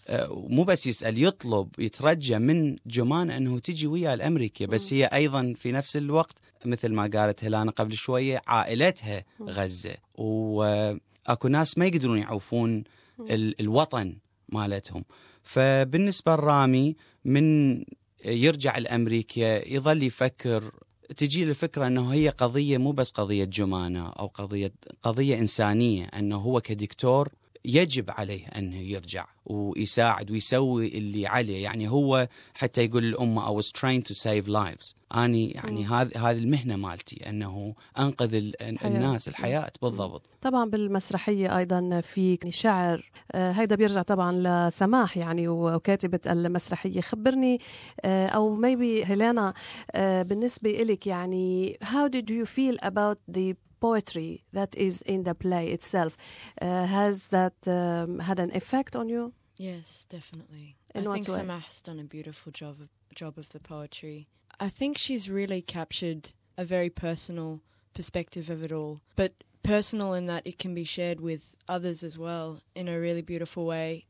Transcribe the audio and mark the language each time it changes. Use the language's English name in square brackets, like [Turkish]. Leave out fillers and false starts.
[Arabic] مو بس يسأل يطلب يترجى من جمان أنه تجي ويا الأمريكا بس هي أيضا في نفس الوقت مثل ما قالت هلانا قبل شوية عائلتها غزة وأكو ناس ما يقدرون يعوفون الوطن مالتهم فبالنسبة لرامي من يرجع الأمريكا يظل يفكر تجي الفكرة أنه هي قضية مو بس قضية جمانة أو قضية إنسانية أنه هو كدكتور يجب عليه أنه يرجع ويساعد ويسوي اللي عليه. يعني هو حتى يقول الأمة [English] I was trained to save lives. [Arabic] أنا يعني هذه المهنة مالتي أنه أنقذ الناس الحياة بالضبط. طبعا بالمسرحية أيضا في شعر هيدا بيرجع طبعا لسماح يعني وكاتبة المسرحية. خبرني أو [English] maybe Helena [Arabic] بالنسبة إليك يعني [English] how did you feel about the poetry that is in the play itself, has that had an effect on you? Yes, definitely. In I what think way? Samah has done a beautiful job of the poetry. I think she's really captured a very personal perspective of it all, but personal in that it can be shared with others as well in a really beautiful way.